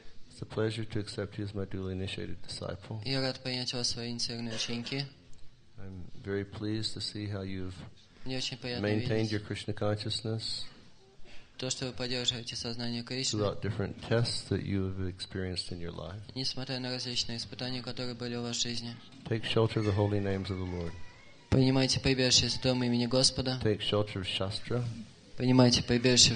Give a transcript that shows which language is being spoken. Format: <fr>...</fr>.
<en>It's a pleasure to accept you as my duly initiated disciple.</en> <ru>Я рад принять вас в свои инициированные ученики.</ru> <en>I'm very pleased to see how you've maintained your Krishna consciousness.</en> <ru>То, что вы поддерживаете сознание Кришны, несмотря на различные испытания, которые были в вашей жизни. Принимайте прибежище в доме имени Господа. Принимайте прибежище в</ru>